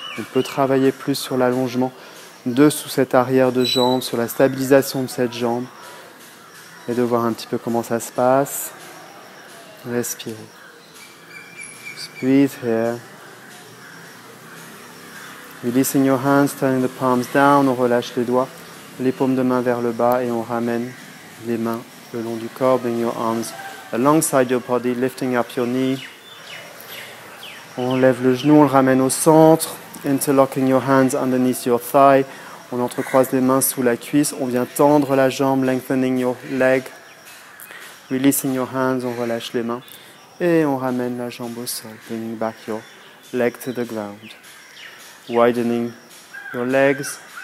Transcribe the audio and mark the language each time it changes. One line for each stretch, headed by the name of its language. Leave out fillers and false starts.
French: On peut travailler plus sur l'allongement de sous cette arrière de jambe, sur la stabilisation de cette jambe et de voir un petit peu comment ça se passe. Respirez.
English: Breathe here. Releasing your hands, turning the palms down.
French: On relâche les doigts, les paumes de main vers le bas et on ramène les mains le long du corps.
English: Bring your arms alongside your body, lifting up your knee.
French: On lève le genou, on le ramène au centre.
English: Interlocking your hands underneath your thigh.
French: On entrecroise les mains sous la cuisse. On vient tendre la jambe,
English: lengthening your leg. Releasing your hands,
French: on relâche les mains. Et on ramène la jambe au sol,
English: bringing back your leg to the ground. Widening your legs.